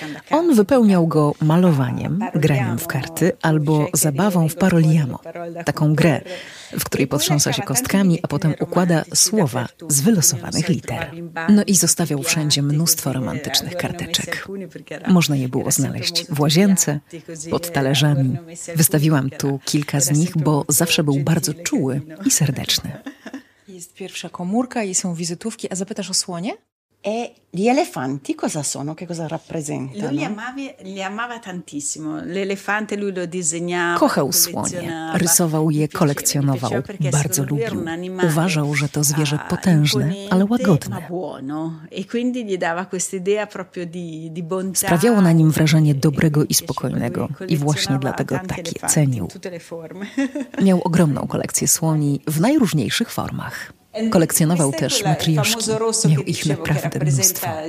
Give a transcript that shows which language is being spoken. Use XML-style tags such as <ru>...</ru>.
<pl>On wypełniał go malowaniem, graniem w karty albo zabawą w paroliamo, taką grę, w której potrząsa się kostkami, a potem układa słowa z wylosowanych liter. No i zostawiał wszędzie mnóstwo romantycznych karteczek. Można je było znaleźć w łazience, pod talerzami. Wystawiłam tu kilka z nich, bo zawsze był bardzo czuły i serdeczny. Jest pierwsza komórka i są wizytówki. A zapytasz o słonie?</pl> <it>E gli elefanti cosa sono? Che cosa rappresentano? Lui li amava tantissimo. L'elefante lui lo disegnava.</it> <pl>Kochał słonie, rysował je, kolekcjonował, bardzo lubił. Uważał, że to zwierzę potężne, ale łagodne.</pl> <it>E quindi gli dava questa idea proprio di bontà.</it> <pl>Sprawiało na nim wrażenie dobrego i spokojnego i właśnie dlatego tak je cenił. Miał ogromną kolekcję słoni w najróżniejszych formach. Kolekcjonował też matrioszki. Miał ich naprawdę mnóstwo.</pl>